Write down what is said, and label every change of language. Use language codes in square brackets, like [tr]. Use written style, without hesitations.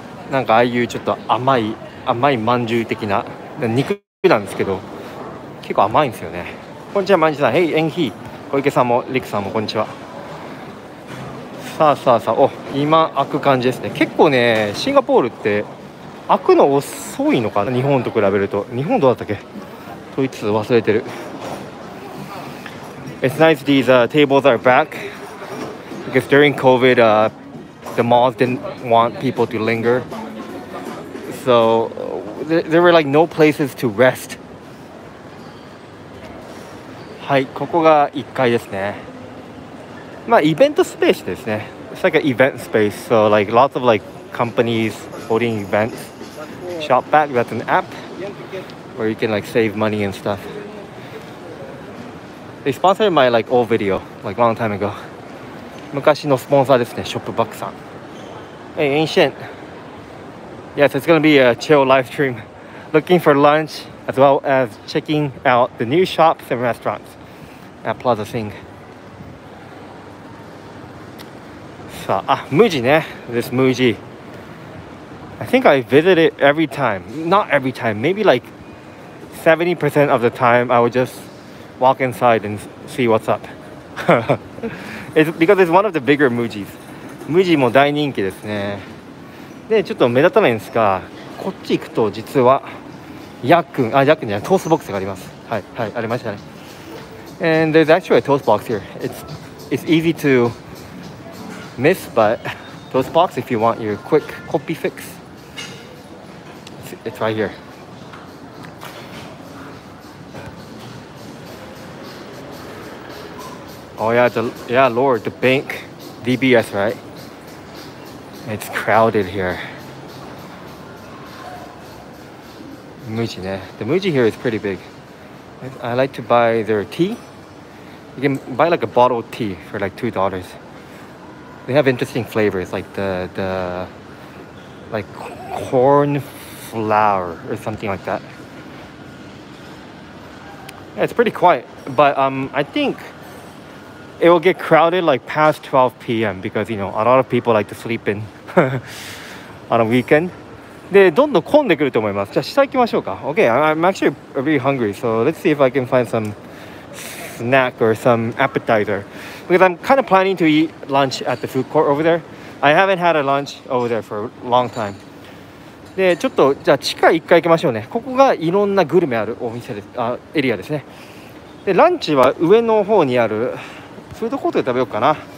[ja] なんかああいうちょっと甘いまんじゅう的な肉なんですけど、結構甘いんですよね。こんにちは、まんじゅうさん。 [en] Hey, Enhi。 [ja] 小池さんもリクさんもこんにちは。さあさあさあ、お、今開く感じですね。結構ね、シンガポールって開くの遅いのかな、日本と比べると。日本どうだったっけ、ドイツ忘れてる。 [en] It's nice these tables are back because during COVID the malls didn't want people to linger. So there were like no places to rest. はい、ここが1階ですね。イベントスペースですね。 It's like an event space. So like lots of like companies holding events. Shopback, that's an app where you can like save money and stuff. They sponsored my like old video like long time ago. [ja] 昔のスポンサーですね、ショップバックさん。 [en] Hey, ancient. Yes, it's going to be a chill live stream. Looking for lunch as well as checking out the new shops and restaurants at Plaza Sing. [ja] さあ、Muji ね。 This Muji. [en] I think I visit it every time. Not every time. Maybe like 70% of the time I would just walk inside and see what's up. It's because it's one of the bigger Mujis. [ja] Muji も大人気ですね。で、ちょっと目立たないんですが、こっち行くと実はヤックンじゃない、トーストボックスがあります。はいはい、ありましたね。 [en] And there's actually a toast box here. It's easy to miss, but toast box if you want your quick copy fix, it's right here. Oh yeah, Lord, the bank DBS, rightIt's crowded here. Muji, ne? The Muji here is pretty big. I like to buy their tea. You can buy like a bottle of tea for like $2. They have interesting flavors, like the like corn flour or something like that. Yeah, it's pretty quiet, but I think it will get crowded like past 12 p.m. because, you know, a lot of people like to sleep in. on a weekend, [ja] で、どんどん混んでくると思います。じゃあ下行きましょうか。 [en] OK, I'm actually really hungry, so let's see if I can find some snack or some appetizer. Because I'm kind of planning to eat lunch at the food court over there. I haven't had a lunch over there for a long time. [ja] で、ちょっとじゃあ地下1階行きましょうね。ここがいろんなグルメあるお店です、あ、エリアですね。で、ランチは上の方にあるフードコートで食べようかな。